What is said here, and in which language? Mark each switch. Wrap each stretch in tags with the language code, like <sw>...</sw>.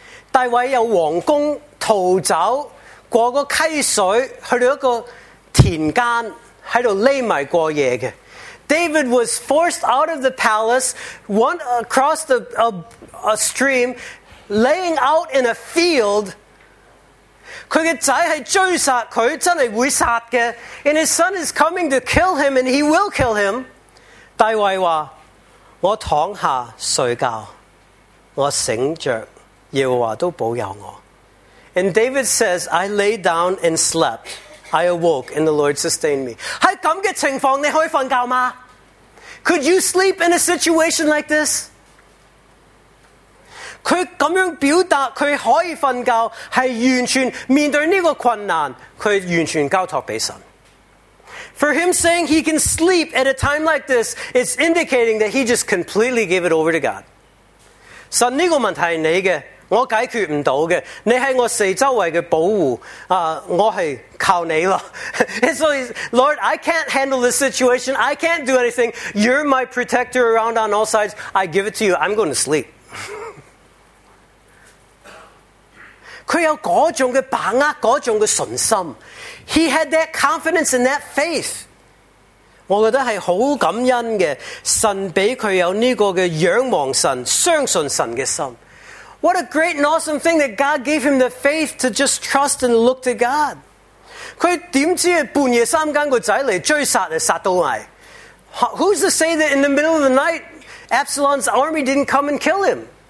<zh>大卫有皇宫逃走过个溪水去到一个田间在这里躲起过夜的。</zh> <en>David was forced out of the palace, went across a stream, laying out in a field.</en> <zh>他的仔是追殺他，真的會殺的。</zh> <en>And his son is coming to kill him, and he will kill him.</en> <zh>大衛說，我躺下睡覺，我醒著，耶和華都保佑我。</zh> <en>And David says, I lay down and slept. I awoke, and the Lord sustained me.</en> <zh>在這樣的情況，你可以睡覺嗎？</zh> <en>Could you sleep in a situation like this?</en> <zh>他这样表达他可以睡觉，是完全面对这个困难，他完全交托给神。</zh> <en>For him saying he can sleep at a time like this, it's indicating that he just completely gave it over to God.</en> <zh>神，这个问题是你的，我解决不到的，你是我四周围的保护，我是靠你了。</zh> <en>And so he's, Lord, I can't handle this situation, I can't do anything, you're my protector around on all sides, I give it to you, I'm going to sleep.</en> <zh>他有那种的把握，那种的信心。</zh> <en>He had that confidence and that faith.</en> <zh>我觉得是很感恩的，神给他有这个的仰望神，相信神的心。</zh> <en>What a great and awesome thing that God gave him the faith to just trust and look to God.</en> <zh>他怎知道半夜三更的仔来追杀，杀到来。</zh> <en>Who's to say that in the middle of the night Absalom's army didn't come and kill him?</en>